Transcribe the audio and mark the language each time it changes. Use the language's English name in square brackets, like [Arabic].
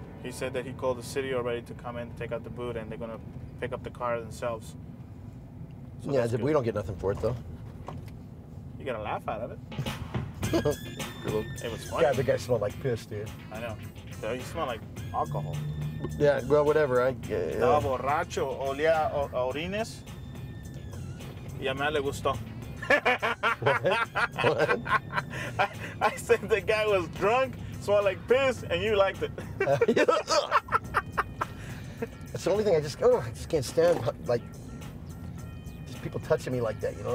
[English] He said that he called the city already to come in and take out the boot and they're gonna pick up the car themselves. So yeah, we don't get nothing for it though. You gotta laugh out of it. It was funny. Yeah, the guy smelled like piss, dude. I know. So he smelled like alcohol. Yeah, well, whatever. [Spanish] Estaba borracho, olía a orines y a mí le gustó. [English] What? I said the guy was drunk, smelled like piss, and you liked it. That's the only thing I just can't stand, like, just people touching me like that, you know?